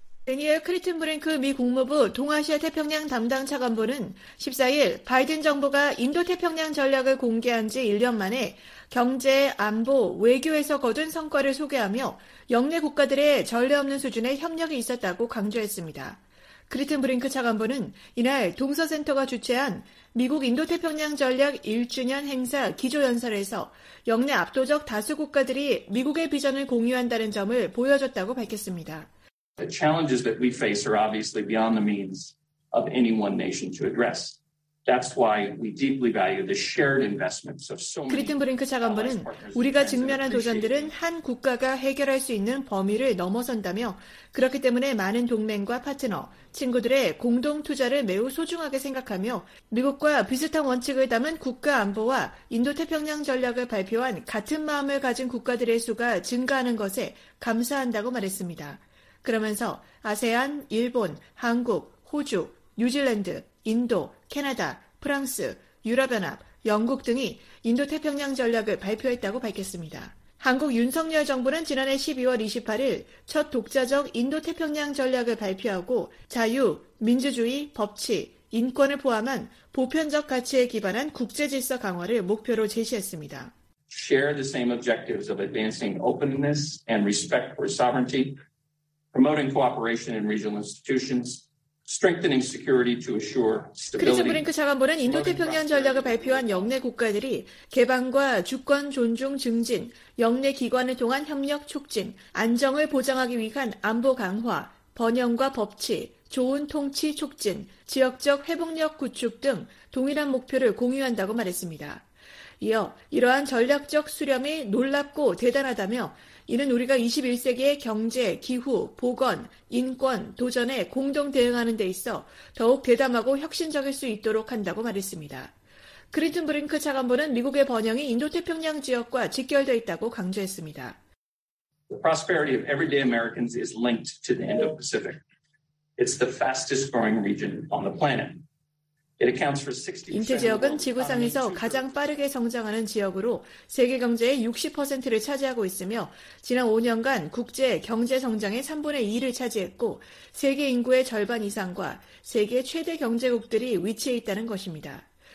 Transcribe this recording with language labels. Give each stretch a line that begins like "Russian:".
Korean: 대니엘 크리튼브랭크 미 국무부 동아시아 태평양 담당 차관보는 14일 바이든 정부가 인도태평양 전략을 공개한 지 1년 만에 경제, 안보, 외교에서 거둔 성과를 소개하며 영내 국가들의 전례 없는 수준의 협력이 있었다고 강조했습니다. 크리튼브랭크 차관보는 이날 동서센터가 주최한 미국 인도태평양 전략 1주년 행사 기조연설에서 영내 압도적 다수 국가들이 미국의 비전을 공유한다는 점을 보여줬다고 밝혔습니다.
English: The challenges that we face are obviously beyond the means of any one nation to address. That's why we deeply value the shared investments of so many.
Korean: 크리튼브링크 차관보는 우리가 직면한 도전들은 한 국가가 해결할 수 있는 범위를 넘어선다며 그렇기 때문에 많은 동맹과 파트너, 친구들의 공동 투자를 매우 소중하게 생각하며 미국과 비슷한 원칙을 담은 국가 안보와 인도태평양 전략을 발표한 같은 마음을 가진 국가들의 수가 증가하는 것에 감사한다고 말했습니다. 그러면서 아세안, 일본, 한국, 호주, 뉴질랜드, 인도, 캐나다, 프랑스, 유럽연합, 영국 등이 인도태평양 전략을 발표했다고 밝혔습니다. 한국 윤석열 정부는 지난해 12월 28일 첫 독자적 인도태평양 전략을 발표하고 자유, 민주주의, 법치, 인권을 포함한 보편적 가치에 기반한 국제질서 강화를 목표로 제시했습니다.
English: Share the same objectives of advancing openness and respect for sovereignty. Promoting cooperation in regional institutions, strengthening security to assure stability.
Korean: 크리튼브랭크 차관보는 인도태평양 전략을 발표한 영내 국가들이 개방과 주권 존중 증진, 영내 기관을 통한 협력 촉진, 안정을 보장하기 위한 안보 강화, 번영과 법치, 좋은 통치 촉진, 지역적 회복력 구축 등 동일한 목표를 공유한다고 말했습니다. 이어 이러한 전략적 수렴이 놀랍고 대단하다며 이는 우리가 21세기의 경제, 기후, 보건, 인권, 도전에 공동 대응하는 데 있어 더욱 대담하고 혁신적일 수 있도록 한다고 말했습니다. 크리튼브링크 차관보는 미국의 번영이 인도태평양 지역과 직결되어 있다고 강조했습니다.
English: The prosperity of everyday Americans is linked to the Indo-Pacific. It's the fastest growing region on the planet.
Korean: 인도 지역은 지구상에서 가장 빠르게 성장하는 지역으로 세계 경제의 60%를 차지하고 있으며 지난 5년간 국제 경제 성장의 3분의 2를 차지했고 세계 인구의 절반 이상과 세계 최대 경제국들이 위치해 있다는 것입니다.